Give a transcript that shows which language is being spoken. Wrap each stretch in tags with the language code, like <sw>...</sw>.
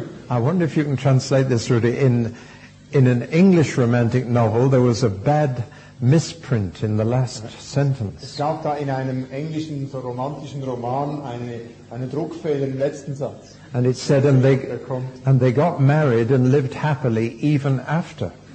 <en>I wonder if you can translate this, Rudy. In an English romantic novel, there was a bad misprint in the last sentence.</en> <de>Es gab da in einem englischen so romantischen Roman einen Druckfehler im letzten Satz.</de> <en>And it said, and they got married and lived happily even after.</en>